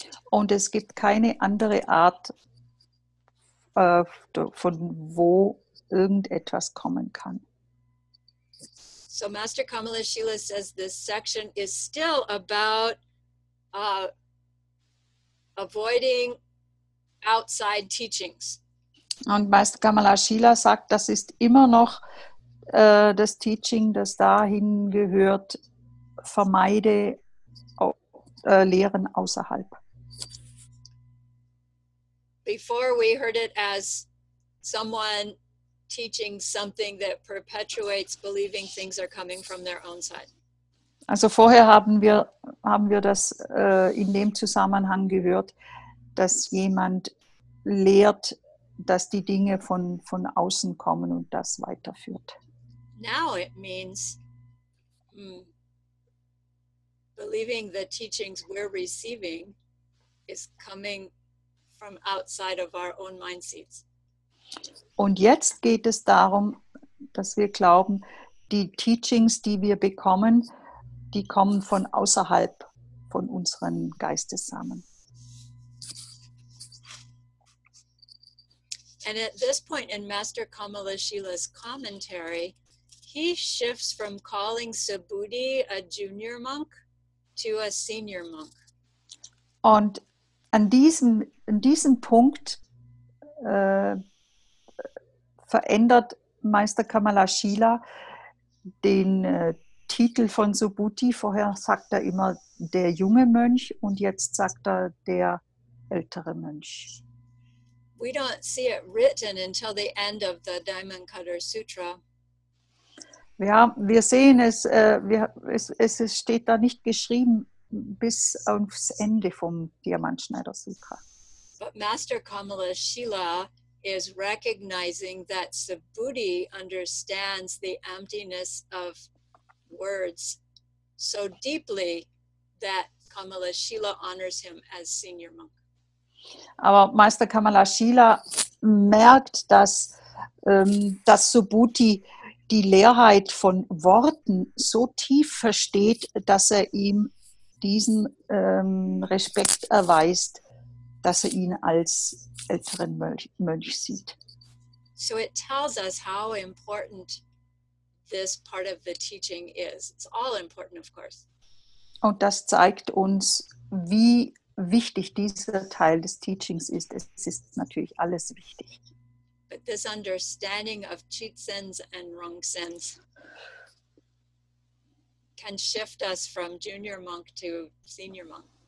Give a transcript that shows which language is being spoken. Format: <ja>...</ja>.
<de>Und es gibt keine andere Art, von wo irgendetwas kommen kann.</de> <en>So Master Kamalashila says this section is still about avoiding outside teachings.</en> <de>Und Master Kamalashila sagt, das ist immer noch das Teaching, das dahin gehört, vermeide Lehren außerhalb.</de> <en>Before we heard it as someone teaching something that perpetuates believing things are coming from their own side.</en> <de>Also vorher haben wir das in dem Zusammenhang gehört, dass jemand lehrt, dass die Dinge von außen kommen und das weiterführt.</de> <en>Now it means believing the teachings we're receiving is coming from outside of our own mind seats.</en> <de>Und jetzt geht es darum, dass wir glauben, die Teachings, die wir bekommen, die kommen von außerhalb von unseren Geistessamen.</de> <en>And at this point in Master Kamalashila's commentary, he shifts from calling Subhuti a junior monk to a senior monk.</en> <de>Und an diesem Punkt verändert Meister Kamalashila den Titel von Subhuti. Vorher sagt er immer der junge Mönch und jetzt sagt er der ältere Mönch.</de> <en>We don't see it written until the end of the Diamond Cutter Sutra.</en> <de>Ja, wir sehen es, es steht da nicht geschrieben bis aufs Ende vom Diamantschneider Sutra.</de> <en>But Master Kamalashila is recognizing that Subhuti understands the emptiness of words so deeply that Kamala Shila honors him as senior monk.</en> <de>Aber Meister Kamala Shila merkt, dass, dass Subhuti die Leerheit von Worten so tief versteht, dass er ihm diesen Respekt erweist, dass er ihn als älteren Mönch sieht.</de> <en>So it tells us how important this part of the teaching is. It's all important, of course.</en> <de>Und das zeigt uns, wie wichtig dieser Teil des Teachings ist. Es ist natürlich alles wichtig.</de> <en>But this understanding of Chitsens and Rongsens can shift us from junior monk to senior monk.</en>